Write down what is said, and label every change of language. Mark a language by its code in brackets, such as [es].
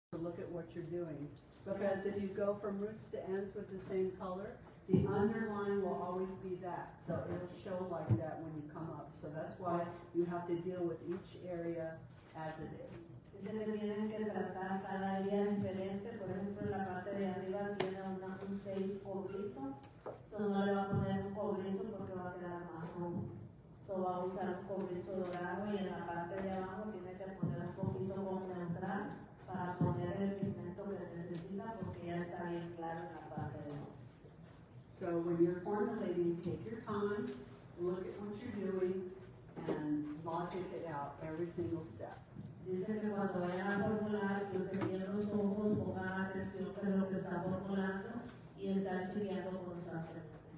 [en] Because if you go from roots to ends with the same color, the underline will always be that. So it'll show like that when you come up. So that's why you have to deal with each area as it is. [es] Se tienen que tratar cada área diferente. Por ejemplo, la parte de arriba tiene un 6 cobrizo. So no le va a poner un cobrizo porque va a quedar marrón. So va a usar un cobrizo dorado y en la parte de abajo tiene que poner un poquito concentrado para poner el pigmento que necesita, porque ya está bien claro en la parte de abajo. [en] So when you're formulating, take your time, look at what you're doing, and logic it out every single step. [es] Dice que cuando vayan a formular, que se cierren los ojos, pongan atención por lo que está formulando y está estudiando constantemente.